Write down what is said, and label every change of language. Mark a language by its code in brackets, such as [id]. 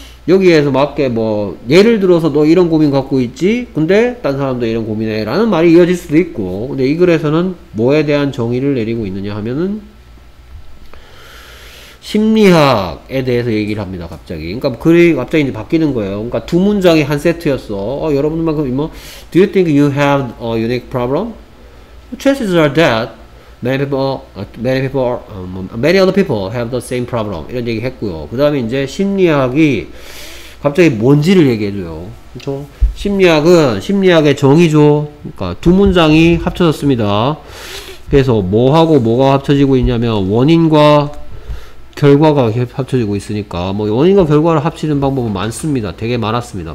[ko] 여기에서 맞게 뭐 예를 들어서 너 이런 고민 갖고 있지? 근데 딴 사람도 이런 고민해 라는 말이 이어질 수도 있고, 근데 이 글에서는 뭐에 대한 정의를 내리고 있느냐 하면은 심리학에 대해서 얘기를 합니다. 갑자기. 그러니까 글이 갑자기 이제 바뀌는 거예요. 그러니까 두 문장이 한 세트였어. 여러분들만큼 뭐 [en] Do you think you have a unique problem? Chances are that many other people have the same problem. [ko] 이런 얘기 했고요. 그 다음에 이제 심리학이 갑자기 뭔지를 얘기해줘요. 그쵸? 심리학은 심리학의 정의죠. 그러니까 두 문장이 합쳐졌습니다. 그래서 뭐하고 뭐가 합쳐지고 있냐면 원인과 결과가 합쳐지고 있으니까 뭐 원인과 결과를 합치는 방법은 많습니다. 되게 많았습니다.